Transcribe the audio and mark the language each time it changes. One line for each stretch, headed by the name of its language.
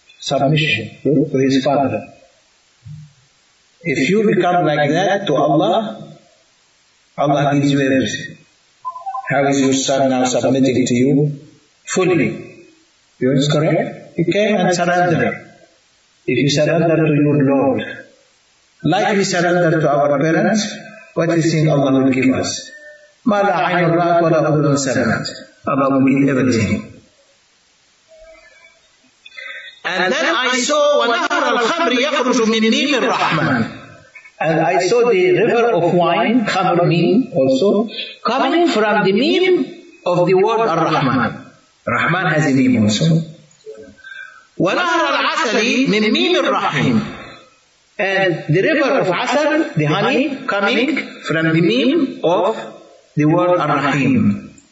English: Submission to his father. If you become like that to Allah, Allah gives you everything. How is your son now submitting to you fully? You is correct. You came and surrendered. If you surrender to your Lord, like we surrender to our parents, what is it Allah will give us?
Arabic: مَا لَا عَيْنُ رَأَتْ وَلَا أُذُنٌ سَمِعَتْ.
English: Allah will give everything. And then I saw
Arabic: وَنَهْرَ الْخَمْرِ يَخْرُجُ مِنْ نِيمِ الرَّحْمَنِ.
English: And I saw the river of wine, khamr mean also, coming from the meme of the word Ar-Rahman. Rahman has a meme also.
Arabic: وَنَهْرَ الْعَسَلِ مِنْ نِيمِ الرَّحِيمِ.
English: And the river of asal, the honey, coming from the meme of the word Ar-Rahim.